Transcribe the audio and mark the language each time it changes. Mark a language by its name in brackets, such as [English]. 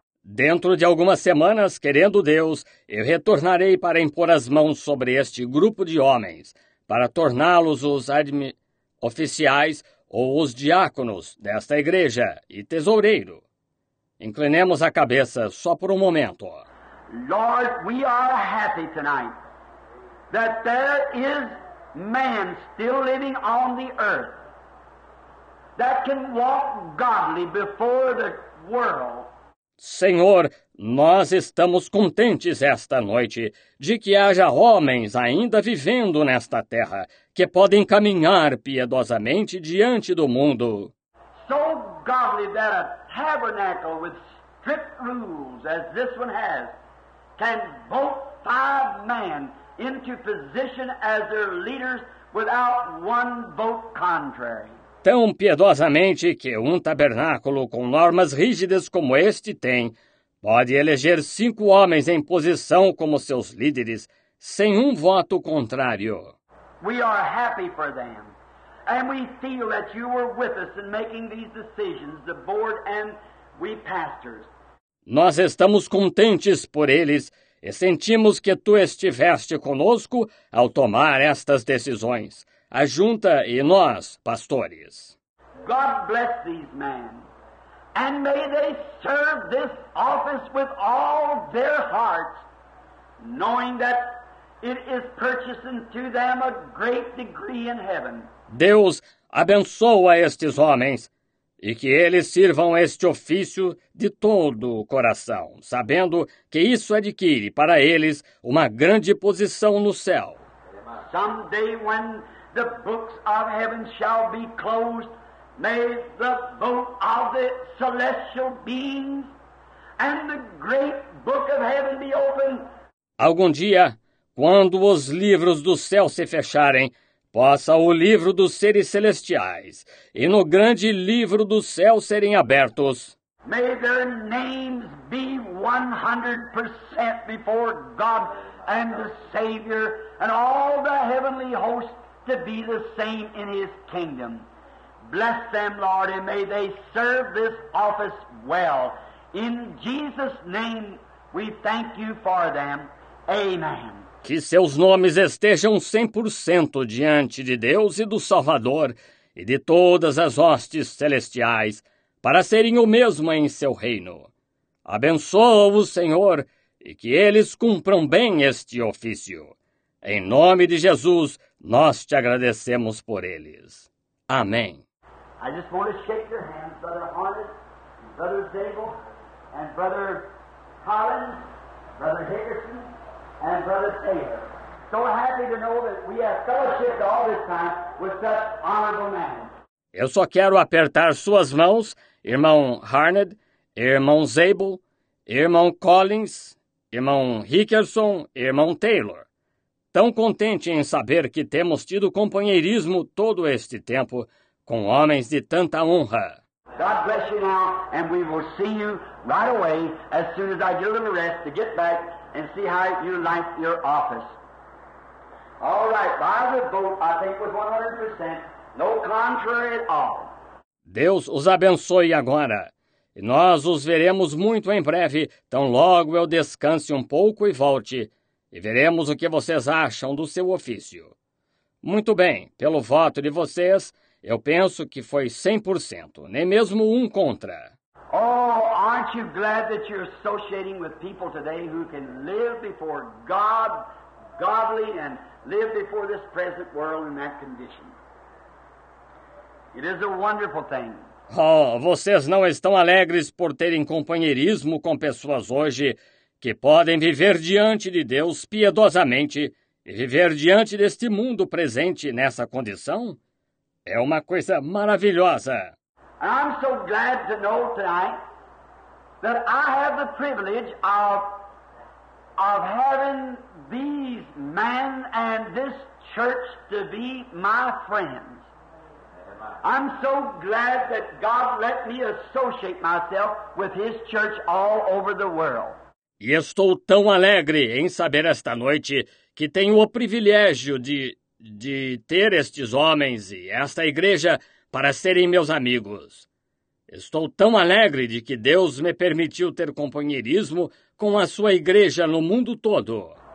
[Portuguese] Dentro de algumas semanas, querendo Deus, eu retornarei para impor as mãos sobre este grupo de homens, para torná-los os oficiais ou os diáconos desta igreja e tesoureiro. Inclinemos a cabeça só por um momento. [English] Lord, we are happy tonight that there is man still living on the earth that can walk godly before the world. [Portuguese] Senhor, nós estamos contentes esta noite de que haja homens ainda vivendo nesta terra que podem caminhar piedosamente diante do mundo. [English] So godly that a tabernacle with strict rules, as this one has, can bolt five men into position as their leaders without one vote contrary. [Portuguese] Tão piedosamente que um tabernáculo com normas rígidas como este tem, pode eleger cinco homens em posição como seus líderes, sem um voto contrário. [English] We are happy for them. And we feel that you were with us in making these decisions, the board and we pastors. [Portuguese] Nós estamos contentes por eles e sentimos que tu estiveste conosco ao tomar estas decisões, a junta e nós, pastores. [English] God bless these men, and may they serve this office with all their hearts, knowing that it is purchasing to them a great degree in heaven. [Portuguese] Deus abençoa estes homens e que eles sirvam este ofício de todo o coração, sabendo que isso adquire para eles uma grande posição no céu. [English] Someday when the books of heaven shall be closed, may the book of the celestial beings and the great book of heaven be opened. [Portuguese] Algum dia, quando os livros do céu se fecharem, possa o livro dos seres celestiais e no grande livro do céu serem abertos. [English] May their names be 100% before God and the Savior and all the heavenly hosts to be the same in His kingdom. Bless them, Lord, and may they serve this office well. In Jesus' name, we thank you for them. Amen. [Portuguese] Que seus nomes estejam 100% diante de Deus e do Salvador e de todas as hostes celestiais, para serem o mesmo em seu reino. Abençoa-os, Senhor, e que eles cumpram bem este ofício. Em nome de Jesus, nós te agradecemos por eles. Amém. [English] I just want to shake your hands, Brother Harnett, Brother Zabel, and Brother Collins, Brother Hickerson. and Brother Taylor. So happy to know that we have fellowshipped all this time with such honorable men. [Portuguese] Eu só quero apertar suas mãos, irmão Harned, irmão Zabel, irmão Collins, irmão Hickerson, irmão Taylor. Tão contente em saber que temos tido companheirismo todo este tempo com homens de tanta honra. [English] God bless you now, and we will see you right away as soon as I get a little rest to get back and see how you like your office. All right, by the vote, I think was 100%. No contrary at all. [Portuguese] Deus os abençoe agora. E nós os veremos muito em breve, tão logo eu descanse um pouco e volte, e veremos o que vocês acham do seu ofício. Muito bem, pelo voto de vocês, eu penso que foi 100%, nem mesmo um contra. [English] Oh, aren't you glad that you're associating with people today who can live before God, godly, and live before this present world in that condition? It is a wonderful thing. [Portuguese] Oh, vocês não estão alegres por terem companheirismo com pessoas hoje que podem viver diante de Deus piedosamente e viver diante deste mundo presente nessa condição? É uma coisa maravilhosa. [English] I'm so glad to know tonight that I have the privilege of having these men and this church to be my friends. I'm so glad that God let me associate myself with His church all over the world. [Portuguese] E estou tão alegre em saber esta noite que tenho o privilégio de ter estes homens e esta igreja para serem meus amigos. Estou tão alegre de que Deus me permitiu ter companheirismo com a sua igreja no mundo todo.